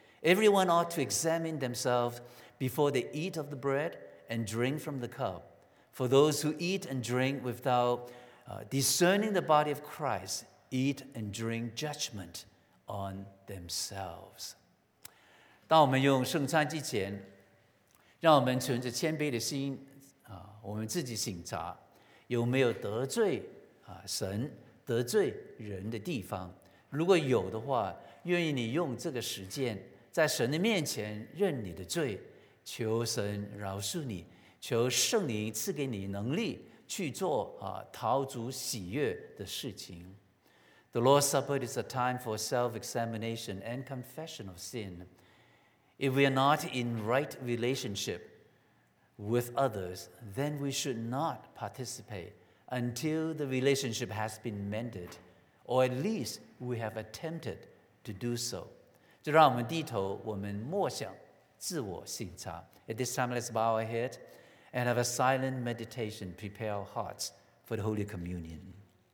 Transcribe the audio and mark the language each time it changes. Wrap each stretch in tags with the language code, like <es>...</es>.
<en>Everyone ought to examine themselves before they eat of the bread and drink from the cup. For those who eat and drink without discerning the body of Christ eat and drink judgment on themselves.</en> <zh>当我们用圣餐之前，让我们存着谦卑的心，我们自己省察，有没有得罪神、得罪人的地方？如果有的话，愿意你用这个时间，在神的面前认你的罪，求神饶恕你，求圣灵赐给你能力去做讨主喜悦的事情。</zh> <en>The Lord's Supper is a time for self-examination and confession of sin. If we are not in right relationship with others, then we should not participate until the relationship has been mended, or at least we have attempted to do so.</en> <zh>就让我们低头，我们默想，自我省察。</zh> <en>At this time, let's bow our head and have a silent meditation, prepare our hearts for the Holy Communion.</en>